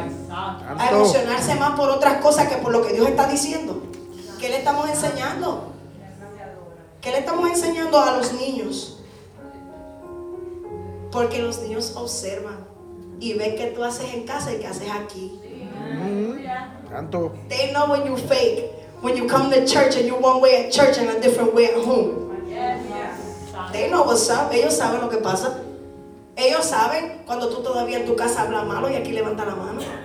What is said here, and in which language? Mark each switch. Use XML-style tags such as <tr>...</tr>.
<es>A emocionarse más por otras cosas que por lo que Dios está diciendo. ¿Qué le estamos enseñando? ¿Qué le estamos enseñando a los niños? Porque los niños observan y ven qué tú haces en casa y qué haces aquí. Tanto.</es> <en>They know when you fake, when you come to church and you're one way at church and a different way at home. They know what's up.</en> <es>Ellos saben lo que pasa. Ellos saben cuando tú todavía en tu casa hablas malo y aquí levanta la mano.</es>